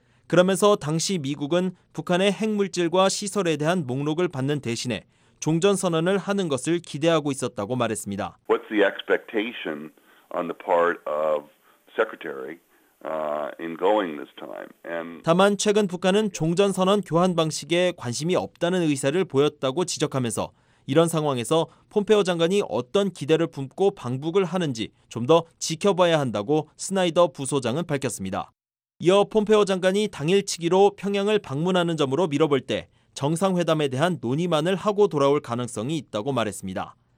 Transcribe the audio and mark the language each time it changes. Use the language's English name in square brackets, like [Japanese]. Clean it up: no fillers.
[Korean] 그러면서 당시 미국은 북한의 핵물질과 시설에 대한 목록을 받는 대신에 종전선언을 하는 것을 기대하고 있었다고 말했습니다. [English] What's the expectation on the part of Secretary in going this time? [Korean] And 다만 최근 북한은 종전선언 교환 방식에 관심이 없다는 의사를 보였다고 지적하면서 이런 상황에서 폼페오 장관이 어떤 기대를 품고 방북을 하는지 좀 더 지켜봐야 한다고 스나이더 부소장은 밝혔습니다. 이어 폼페오 장관이 당일치기로 평양을 방문하는 점으로 미뤄볼 때 정상회담에 대한 논의만을 하고 돌아올 가능성이 있다고 말했습니다.